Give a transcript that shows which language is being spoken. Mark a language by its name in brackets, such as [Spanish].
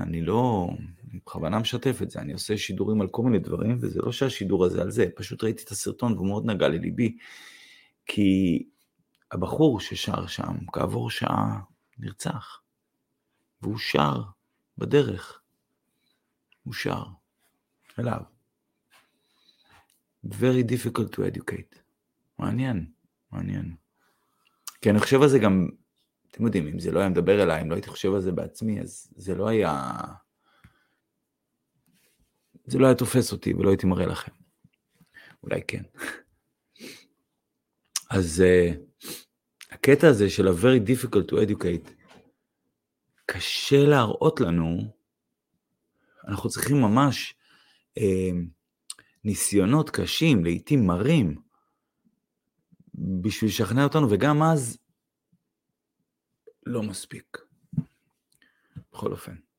[Hebrew] אני לא, אני בכוונה משתף את זה, אני עושה שידורים על כל מיני דברים, וזה לא שהשידור הזה על זה, פשוט ראיתי את הסרטון והוא מאוד נגע לליבי, כי הבחור ששר שם, כעבור שעה, נרצח, והוא שר בדרך, הוא שר אליו. [English] Very difficult to educate. [Hebrew] מעניין, מעניין. כי אני חושב על זה גם, אתם יודעים, אם זה לא היה מדבר אליי, אם לא הייתי חושב על זה בעצמי, אז זה לא היה, זה לא היה תופס אותי ולא הייתי מראה לכם. אולי כן. אז הקטע הזה של [English] a very difficult to educate, [Hebrew] קשה להראות לנו, אנחנו צריכים ממש ניסיונות קשים, לעתים מרים, בשביל לשכנע אותנו, וגם אז לא מספיק. בכל אופן.